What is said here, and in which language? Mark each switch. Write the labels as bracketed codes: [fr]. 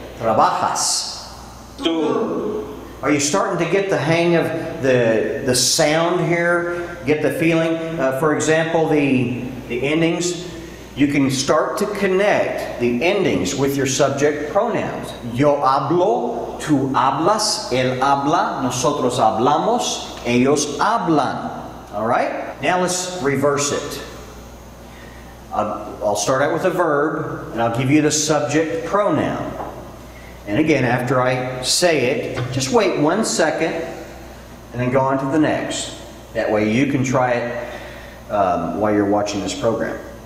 [es] Trabajas. Tú. [en] Are you starting to get the hang of the sound here? Get the feeling? For example, the endings. You can start to connect the endings with your subject pronouns. [es] Yo hablo, tú hablas, él habla, nosotros hablamos, ellos hablan. [en] All right? Now let's reverse it. I'll start out with a verb, and I'll give you the subject pronoun. And again, after I say it, just wait 1 second, and then go on to the next. That way you can try it while you're watching this program.